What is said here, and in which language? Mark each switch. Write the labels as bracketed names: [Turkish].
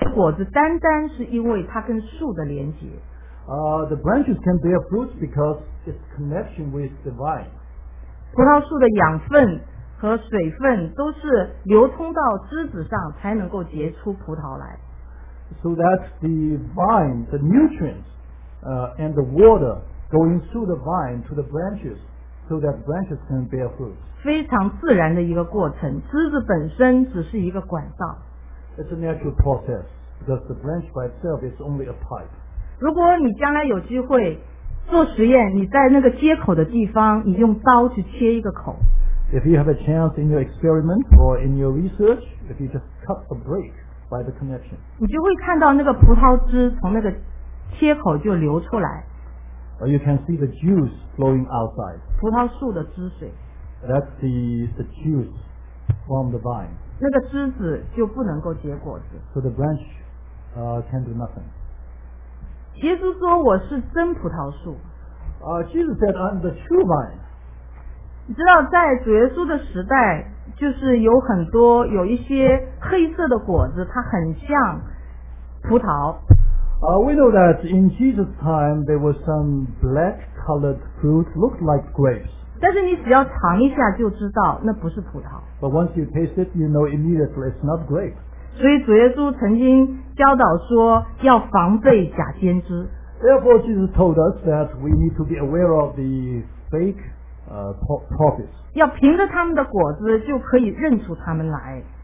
[Chinese] 果子单单是因为它跟树的连结。 [English] The branches can bear fruit because its connection with the vine. [Chinese] 葡萄树的养分和水分都是流通到枝子上才能够结出葡萄来。 [English] So that the vine, the nutrients, and the water going through the vine to the branches, so that branches can bear fruit. [Chinese] 非常自然的一个过程，枝子本身只是一个管道。 [English] It's a natural process because the branch by itself is only a pipe. [Chinese] 如果你将来有机会做实验，你在那个接口的地方，你用刀去切一个口。 [English] If you have a chance in your experiment or in your research, if you just cut a break by the connection, [Chinese] 你就会看到那个葡萄汁从那个切口就流出来。 [English] Or you can see the juice flowing outside. [Chinese] 葡萄树的汁水。 [English] That's the juice from the vine. [Chinese] 那个枝子就不能够结果子。 [English] So the branch, can do nothing. [Chinese] 耶稣说我是真葡萄树。 [English] Jesus said I'm the true vine. [Chinese] 你知道在主耶稣的时代，就是有很多有一些黑色的果子，它很像葡萄。 [English] We know that in Jesus' time there was some black colored fruit looked like grapes. [Chinese] 但是你只要尝一下就知道那不是葡萄。 [English] But once you taste it, you know immediately it's not grape. [Chinese] 所以主耶稣曾经教导说要防备假先知。 [English] Therefore, Jesus told us that we need to be aware of the fake, prophets. [Chinese] 要凭着他们的果子就可以认出他们来。